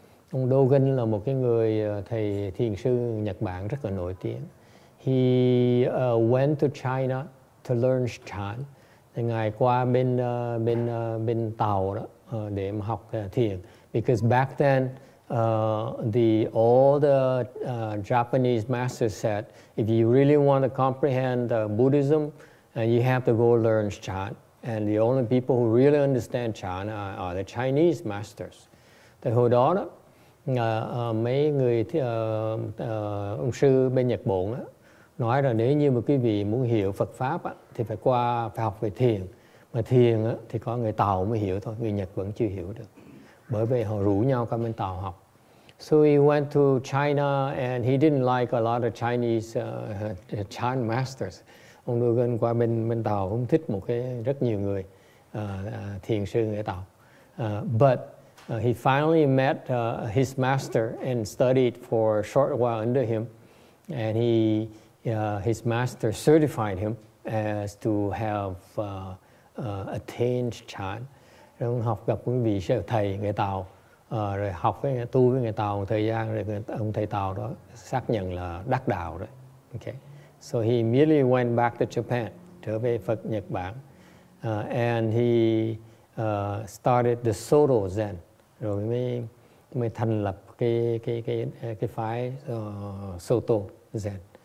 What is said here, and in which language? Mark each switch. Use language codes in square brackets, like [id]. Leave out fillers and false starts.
[vi] Ông Dogen là một cái người thầy thiền sư Nhật Bản rất là nổi tiếng. [en] He went to China to learn Chan. [vi] Ngài qua bên bên bên Tàu đó để mà học thiền. [en] Because back then, all the Japanese masters said, if you really want to comprehend Buddhism, you have to go learn Chan. And the only people who really understand Chan are the Chinese masters. [vi] Thì hồi đó đó, mấy người ông sư bên Nhật Bản đó, nói là nếu như mà quý vị muốn hiểu Phật pháp á, thì phải qua phải học về thiền. Mà thiền á, thì có người Tàu mới hiểu thôi, người Nhật vẫn chưa hiểu được. Bởi vì họ rủ nhau qua bên Tàu học. [en] So he went to China and he didn't like a lot of Chinese Chan masters. [vi] Ông đưa gần qua bên Tàu không thích một cái rất nhiều người thiền sư người Tàu. [en] But he finally met his master and studied for a short while under him, and he his master certified him as to have attained Chan. [vi] Ông học gặp quý vị sư thầy người Tàu, rồi học với tu với người Tàu một thời gian, rồi ông thầy Tàu đó xác nhận là đắc đạo rồi. Okay. [en] So he immediately went back to Japan, [vi] trở về Phật Nhật Bản, [en] and he started the Soto Zen, [vi] rồi mới thành lập cái phái Soto Zen.